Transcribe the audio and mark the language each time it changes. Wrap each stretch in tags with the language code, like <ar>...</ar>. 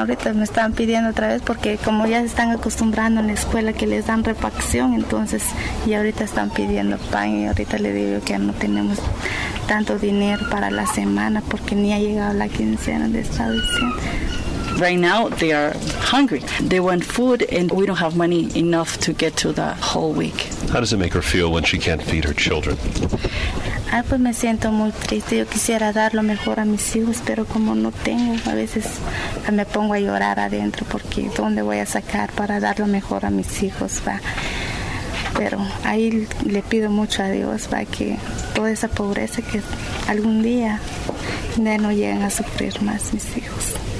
<es>Ahorita me están pidiendo otra vez porque como ya se están acostumbrando en la escuela que les dan refacción, entonces ya ahorita están pidiendo pan y ahorita le digo que no tenemos tanto dinero para la semana porque ni ha llegado la quincena de esta edición.</es> <en>Right now they are hungry. They want food and we don't have money enough to get to the whole week. How does it make her feel when she can't feed her children?</en> <es>Ah, pues me siento muy triste. Yo quisiera dar lo mejor a mis hijos, pero como no tengo, a veces me pongo a llorar adentro porque ¿dónde voy a sacar para dar lo mejor a mis hijos, va? Pero ahí le pido mucho a Dios, va, que toda esa pobreza que algún día ya no lleguen a sufrir más mis hijos.</es>